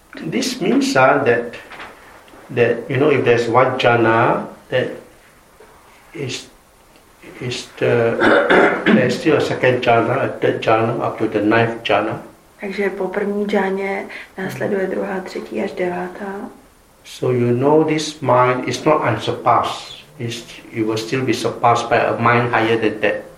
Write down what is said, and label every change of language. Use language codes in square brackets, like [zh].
[en] This means that you know if there's one jhana that is the there's still a second jhana, a third jhana up to the ninth jhana. [cs] Takže po první jhaně následuje druhá, třetí až devátá. [en] So you know this mind is not unsurpassed. It will still be surpassed by a mind higher than that.